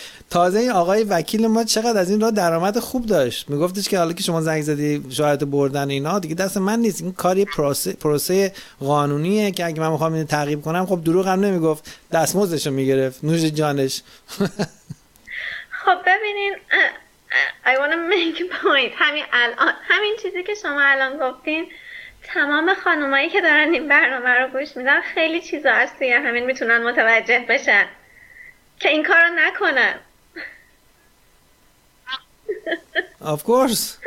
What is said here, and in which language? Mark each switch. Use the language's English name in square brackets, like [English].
[Persian] تازه این آقای وکیل ما چقدر از این راه درآمد خوب داشت، میگفتش که حالا که شما زنگ زدی شوهرت بردن اینا دیگه دست من نیست، این کاری پروسه قانونیه که اگه من میخوام اینو تعقیب کنم، خب دروغ هم نمیگفت، دستمزدش رو میگرفت، نوش جانش. خب ببینین [English] I want to make a point. [Persian] همین الان، همین چیزی که شما الان گفتین، تمام خانومایی که دارن این برنامه رو گوش میدن خیلی چیزا هست توی همین میتونن متوجه بشن که این کارو نکنن. [English] Of course.